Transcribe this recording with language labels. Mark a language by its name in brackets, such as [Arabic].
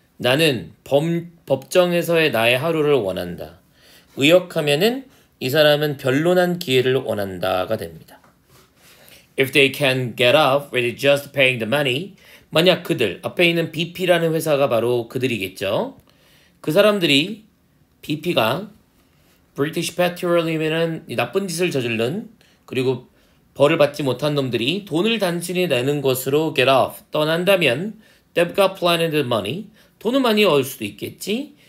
[Korean] 나는 법정에서의 나의 하루를 원한다. 의역하면은 이 사람은 변론한 기회를 원한다가 됩니다. [English] If they can get off with just paying the money, [Korean] 만약 그들, 앞에 있는 BP라는 회사가 바로 그들이겠죠. 그 사람들이, BP가 British Petroleum이라는 나쁜 짓을 저질른, 그리고 벌을 받지 못한 놈들이 돈을 단순히 내는 것으로 [English] get off, [Korean] 떠난다면 [English] they've got plenty of money, [Korean] 돈은 많이 얻을 수도 있겠지.